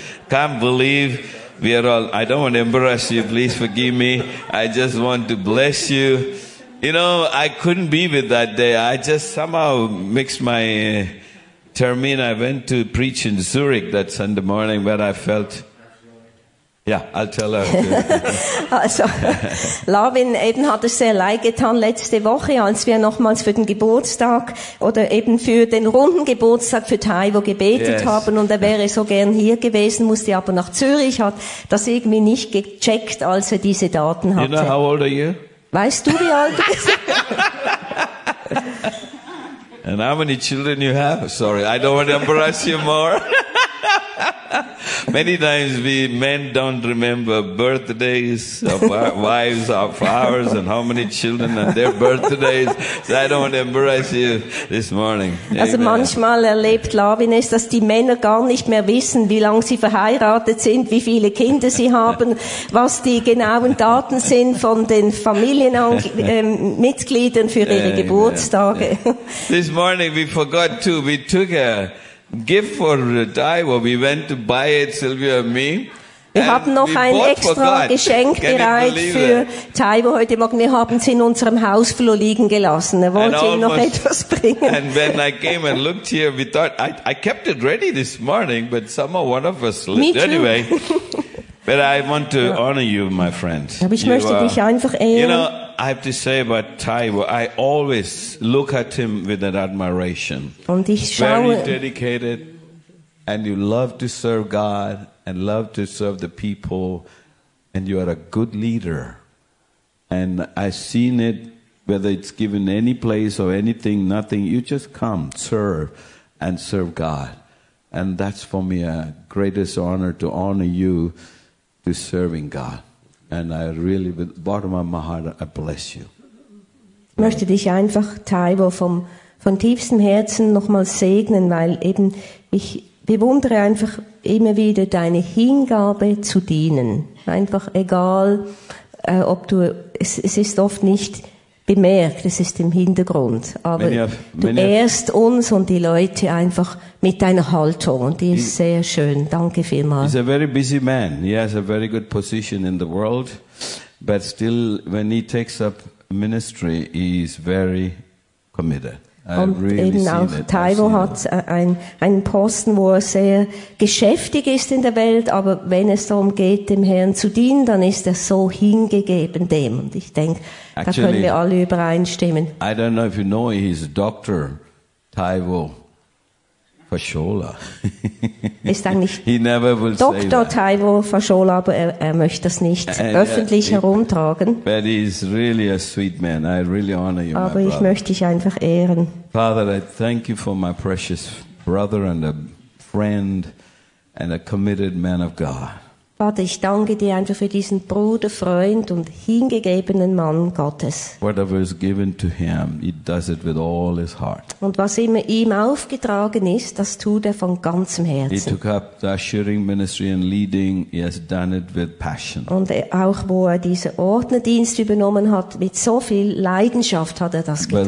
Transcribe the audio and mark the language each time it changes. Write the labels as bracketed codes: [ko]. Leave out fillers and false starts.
[en] Can't believe we are all... I don't want to embarrass you. Please forgive me. I just want to bless you. You know, I couldn't be with that day. I just somehow mixed my termine. I went to preach in Zurich that Sunday morning, but I felt... [de] Ja, [en] yeah, I'll tell her. [de] Also, Lavin eben hat es sehr leid getan letzte Woche, als wir nochmals für den Geburtstag oder eben für den runden Geburtstag für Taiwo gebetet haben und er wäre so gern hier gewesen, musste aber nach Zürich, hat das irgendwie nicht gecheckt, als er diese Daten hatte. [en] You know how old are you? [de] Weißt du, wie alt du bist? [en] And how many children you have? Sorry, I don't want to embarrass you more. Many times we men don't remember birthdays of our wives, of ours, and how many children and their birthdays. So I don't want to embarrass you this morning. Amen. [de] Also manchmal erlebt Lavin es, dass die Männer gar nicht mehr wissen, wie lange sie verheiratet sind, wie viele Kinder sie haben, was die genauen Daten sind von den Familienmitgliedern für ihre Geburtstage. [en] Amen. This morning we forgot too. We took a gift for Taiwo. We went to buy it, Sylvia and me. [de] Wir haben noch ein extra Geschenk bereit für Taiwo heute Morgen. Wir haben es in unserem Hausflur liegen gelassen. Er wollte ihm noch etwas bringen. [en] And when I came and looked here, we thought, I kept it ready this morning, but somehow one of us left anyway. But I want to honor you, my friend. [de] Aber ich möchte dich einfach ehren. [en] You know, I have to say about Taiwo, I always look at him with an admiration. [de] Und ich schaue. [en] Very dedicated, and you love to serve God, and love to serve the people, and you are a good leader. And I've seen it, whether it's given any place or anything, nothing, you just come, serve, and serve God. And that's for me a greatest honor to honor you, to serving God. And I really, with the bottom of my heart, I bless you. [de] Ich möchte dich einfach, Taiwo, von tiefstem Herzen nochmal segnen, weil eben ich bewundere einfach immer wieder deine Hingabe zu dienen. Einfach egal, ob du, es ist oft nicht bemerkt, es ist im Hintergrund. Aber du ehrst uns und die Leute einfach mit deiner Haltung. Und die ist sehr schön. Danke vielmals. [en] He's a very busy man. He has a very good position in the world. But still, when he takes up ministry, he is very committed. [de] Und eben auch Taiwo hat einen Posten, wo er sehr geschäftig ist in der Welt, aber wenn es darum geht, dem Herrn zu dienen, dann ist er so hingegeben dem. Und ich denke, da können wir alle übereinstimmen. [en] I don't know if you know, he's a doctor, Taiwo Fashola. [de] Ist eigentlich Dr. Taiwo Fashola, aber er möchte das nicht öffentlich herumtragen. [en] But he's really a sweet man. I really honor you, [de] aber ich möchte dich einfach ehren. [en] Father, I thank you for my precious brother and a friend and a committed man of God. [de] Vater, ich danke dir einfach für diesen Bruder, Freund und hingegebenen Mann Gottes. [en] Whatever is given to him, he does it with all his heart. [de] Und was immer ihm aufgetragen ist, das tut er von ganzem Herzen. [en] He took up the ushering ministry and leading, he has done it with passion. [de] Und auch wo er diesen Ordnerdienst übernommen hat, mit so viel Leidenschaft hat er das getan.